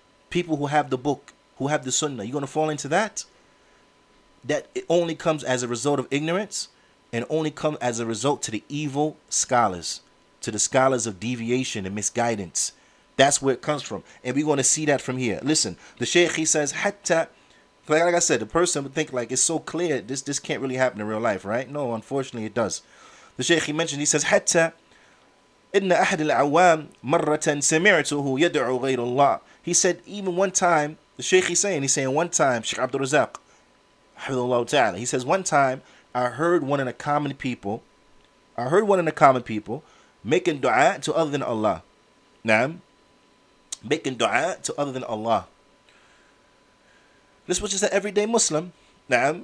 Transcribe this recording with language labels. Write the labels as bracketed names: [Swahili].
[English] People who have the book, who have the sunnah, you're going to fall into that? That it only comes as a result of ignorance and only come as a result to the evil scholars, to the scholars of deviation and misguidance. That's where it comes from. And we're going to see that from here. Listen, the sheikh, he says, hatta, like I said, the person would think like, it's so clear, this can't really happen in real life, right? No, unfortunately it does. The sheikh, he mentioned, he says, hatta, [Arabic] إن أحد العوام مرة سمعته يدعو غير الله. [English] He said, even one time, the sheikh he's saying one time, Sheikh Abdul Razak, he says, one time, I heard one of the common people making dua to other than Allah. Naam? Making dua to other than Allah. This was just an everyday Muslim. Naam?